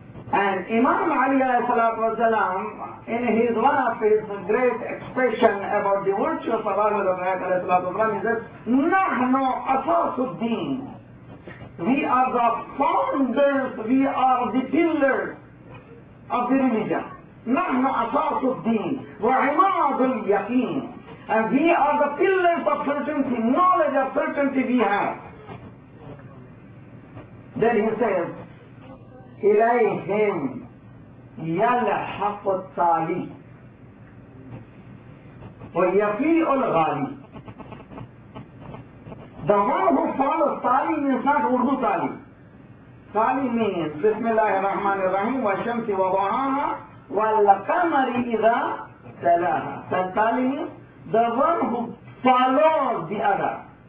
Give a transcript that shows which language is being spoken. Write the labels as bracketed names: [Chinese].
[English] And Imam Ali alayhi salatu wasalam, in his one of his great expression about the virtues of Ahlul Bayt alayhi salatu wasalam, he says, [Arabic] Nahnu asasuddin. [English] We are the founders, we are the pillars of the religion. [Arabic] نحن أساس الدين وعماد اليقين. [English] And we are the pillars of certainty, knowledge of certainty we have. Then he says, [Arabic] إليهم يلحق التالي ويفيء الغالي. [English] The one who follows Tali is not Urdu Tali. Tali means [Arabic] Bismillah ar-Rahman ar-Rahim wa shamsi wa dhahaha وَالْقَمَرِ إِذَا تَلَاهَا. [English] Tali means the one who follows the other.